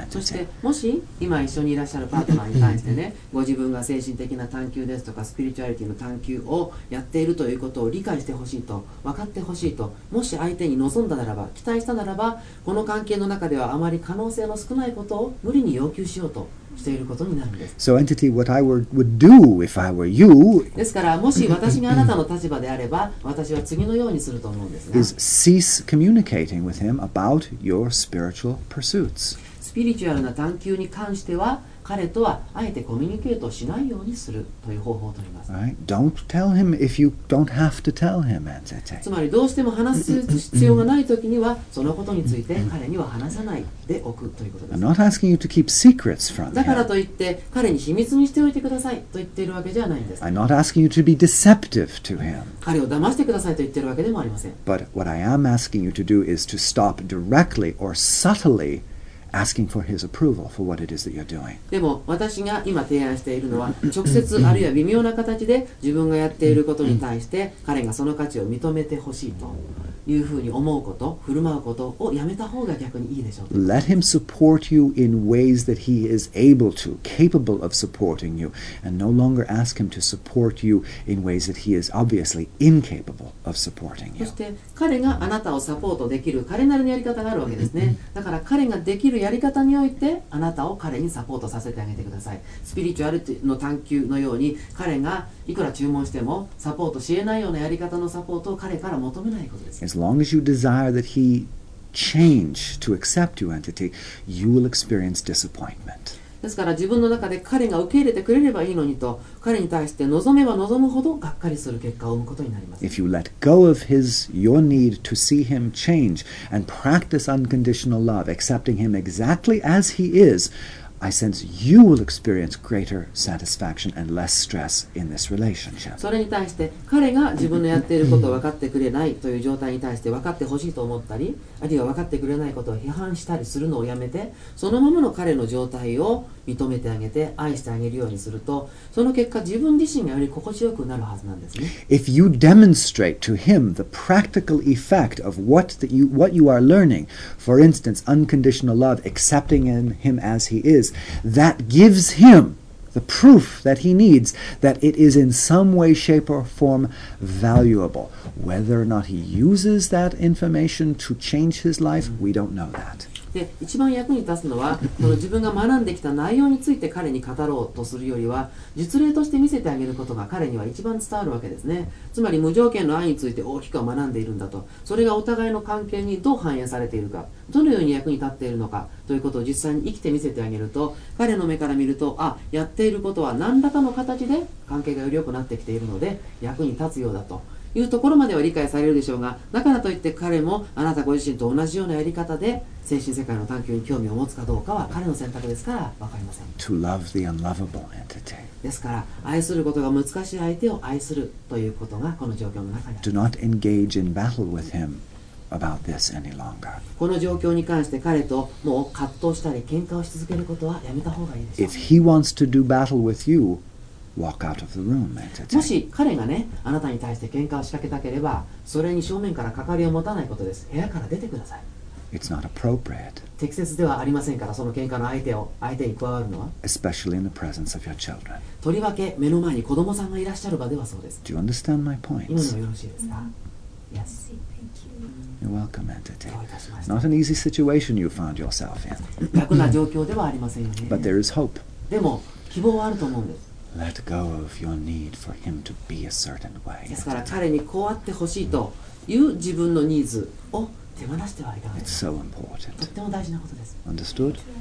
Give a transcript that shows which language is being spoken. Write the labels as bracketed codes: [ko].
[ja] そしてもし今一緒にいらっしゃるパートナーに対してね、ご自分が精神的な探求ですとかスピリチュアリティの探求をやっているということを理解してほしいと、分かってほしいと、もし相手に望んだならば、期待したならば、この関係の中ではあまり可能性の少ないことを無理に要求しようとしていることになるんです。 [en] So entity, what I would do if I were you, [ja] ですからもし私があなたの立場であれば、私は次のようにすると思うんですが、 [en] is cease communicating with him about your spiritual pursuits. [ja] スピリチュアルな探求に関しては彼とはあえてコミュニケートしないようにするという方法を取ります。 [en] All right. Don't tell him if you don't have to tell him, entity. [ja] つまりどうしても話す必要がないときには、そのことについて彼には話さないでおくということです。 [en] I'm not asking you to keep secrets from him. [ja] だからといって彼に秘密にしておいてくださいと言っているわけじゃないんです。 [en] I'm not asking you to be deceptive to him. [ja] 彼を騙してくださいと言っているわけでもありません。 [en] But what I am asking you to do is to stop directly or subtlyAsking for his approval for what it is that you're doing. [ja] でも私が今提案しているのは、直接あるいは微妙な形で自分がやっていることに対して彼がその価値を認めてほしいというふうに思うこと、振る舞うことをやめた方が逆にいいでしょう。 [en] Let him support you in ways that he is able to, capable of supporting you, and no longer ask him to support you in ways that he is obviously incapable of supporting you. [ja] そして彼があなたをサポートできる彼なりのやり方があるわけですね。だから彼ができるやり方においてあなたを彼にサポートさせてあげてください。スピリチュアルの探求のように、彼がいくら注文してもサポートしえないようなやり方のサポートを彼から求めないことです。 [en] As long as you desire that he change to accept you, entity, you will experience disappointment. [ja] ですから自分の中で彼が受け入れてくれればいいのにと、彼に対して望めば望むほどがっかりする結果を生むことになります。 [en] If you let go of his, your need to see him change and practice unconditional love, accepting him exactly as he is, I sense you will experience greater satisfaction and less stress in this relationship. [ja] それに対して彼が自分のやっていることを分かってくれないという状態に対して分かってほしいと思ったり、あるいは分かってくれないことを批判したりするのをやめて、そのままの彼の状態を認めてあげて愛してあげるようにすると、その結果自分自身がより心地よくなるはずなんですね。 [en] If you demonstrate to him the practical effect of what you are learning, for instance, unconditional love, accepting him as he is. That gives him the proof that he needs that it is in some way, shape, or form valuable. Whether or not he uses that information to change his life, we don't know that. [ja] で、一番役に立つのは、その自分が学んできた内容について彼に語ろうとするよりは、実例として見せてあげることが彼には一番伝わるわけですね。つまり無条件の愛について大きくは学んでいるんだと、それがお互いの関係にどう反映されているか、どのように役に立っているのかということを実際に生きて見せてあげると、彼の目から見ると、あ、やっていることは何らかの形で関係がより良くなってきているので、役に立つようだというところまでは理解されるでしょうが、だからといって彼もあなたご自身と同じようなやり方で精神世界の探求に興味を持つかどうかは彼の選択ですから分かりません。 [en] To love the unlovable entity. [ja] ですから、愛することが難しい相手を愛するということがこの状況の中にあります。 [en] Do not engage in battle with him. About this any longer. [ja] この状況に関して彼ともう葛藤したり喧嘩をし続けることはやめた方がいいでしょう。 [en] If he wants to do battle with you, walk out of the room, entity. [ja] もし彼がね、あなたに対して喧嘩を仕掛けたければ、それに正面から関わりを持たないことです。部屋から出てください。 [en] It's not appropriate. [ja] 適切ではありませんから、その喧嘩の相手に加わるのは。 [en] Especially in the presence of your children. [ja] とりわけ目の前に子供さんがいらっしゃる場ではそうです。 [en] Do you understand my point? [ja] 今のよろしいですか。 [en] Yes. You're welcome, entity. Not an easy situation you found yourself in. [ja] 楽な状況ではありませんよね。 [en] But there is hope. [ja] でも希望はあると思うんです。 [en] Let go of your need for him to be a certain way. [ja] ですから彼にこうあってほしいという自分のニーズを手放してはいかがですか。 [en] It's so important. [ja] とっても大事なことです。 [en] Understood?